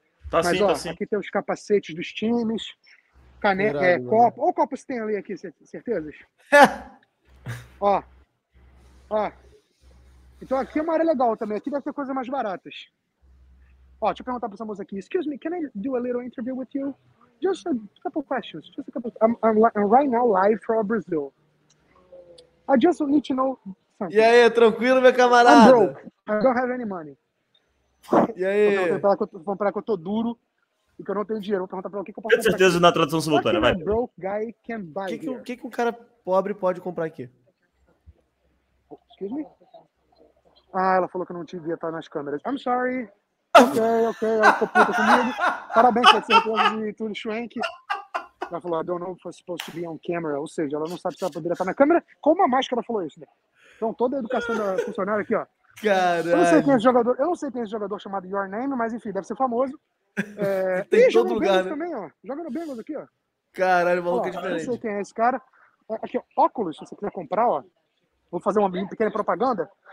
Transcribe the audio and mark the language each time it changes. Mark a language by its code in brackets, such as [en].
[pt] Tá. Mas, sim, ó, tá sim. Aqui tem os capacetes dos times, caneta, copo. Olha o copo que tem ali aqui, certezas? ó. Então aqui é uma área legal também. Aqui deve ter coisas mais baratas. Ó, deixa eu perguntar pra essa moça aqui. [en] Excuse me, can I do a little interview with you? Just a couple questions. I'm right now live from Brazil. I just need to know something. [pt] E aí, tranquilo, meu camarada? [en] I'm broke. I don't have any money. [pt] E aí? Vou falar que eu tô duro e que eu não tenho dinheiro. Vou perguntar pra ela o que eu posso comprar. Com certeza, na tradução simultânea, vai. [en] Broke guy can buy here. [pt] Que um cara pobre pode comprar aqui? [en] Excuse me? [pt] Ah, ela falou que eu não te via estar nas câmeras. [en] I'm sorry. [pt] Ok, ela ficou puta comigo. Parabéns, você é de Tony Schwenk. Ela falou, [en] I don't know if I'm supposed to be on camera. [pt] Ou seja, ela não sabe se ela poderia estar na câmera. Com uma máscara, falou isso, né? Então, toda a educação da funcionária aqui, ó. Caralho. Eu não sei quem é esse jogador chamado Your Name, mas enfim, deve ser famoso. Tem em todo lugar, né? Também, ó. Joga no Bengals aqui, ó. Caralho, maluco, é diferente. Eu não sei quem é esse cara. Aqui, ó, óculos, se você quiser comprar, ó. Vou fazer uma pequena propaganda.